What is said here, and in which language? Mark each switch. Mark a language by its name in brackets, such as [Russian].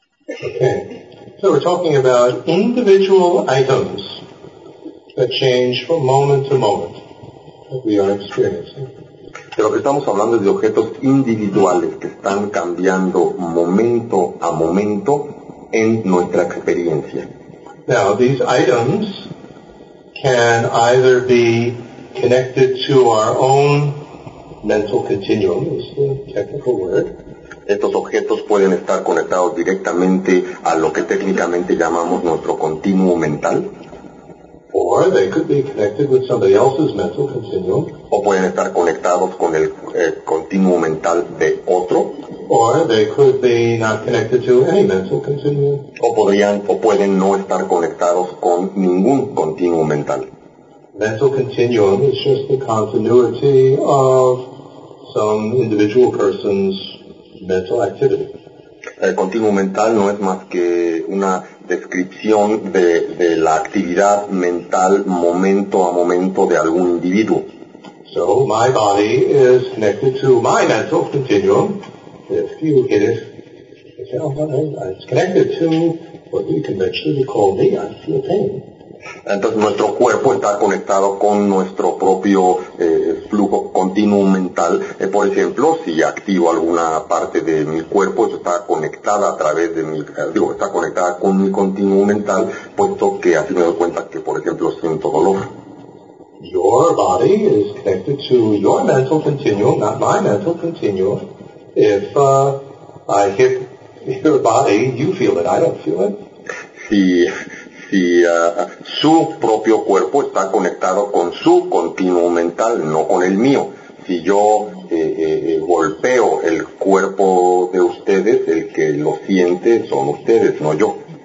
[English] Okay, so we're talking about individual items that change from moment to moment that we are experiencing. [Spanish] Pero que estamos hablando de objetos individuales que están cambiando momento a momento en nuestra experiencia. [English] Now, these items can either be connected to our own mental continuum, is the technical word. [Spanish] Estos objetos pueden estar conectados directamente a lo que técnicamente llamamos nuestro continuo mental. [English] Or they could be connected with somebody else's mental continuum. [Spanish] O pueden estar conectados con el continuo mental de otro. [English] Or they could be not connected to any mental continuum. [Spanish] O pueden no estar conectados con ningún continuo mental. [English] Mental continuum is just the continuity of some individual person's mental activity. [Spanish] El continuo mental no es más que una descripción de la actividad mental momento a momento de algún individuo. [English] So my body is connected to my mental continuum. It's connected to what we conventionally call me. I feel pain. [Spanish] Entonces nuestro cuerpo está conectado con nuestro propio flujo continuo mental. Por ejemplo, si activo alguna parte de mi cuerpo, eso está conectada a través de mi, está conectada con mi continuo mental, puesto que así me doy cuenta que, por ejemplo, siento dolor. [English] Your body is connected to your mental continuum, not my mental continuum. If I hit your body, you feel it, I don't feel it. [Spanish] Si su propio cuerpo está conectado con su continuo mental, no con el mío. Si yo golpeo el cuerpo de ustedes, el que lo siente son ustedes, no yo.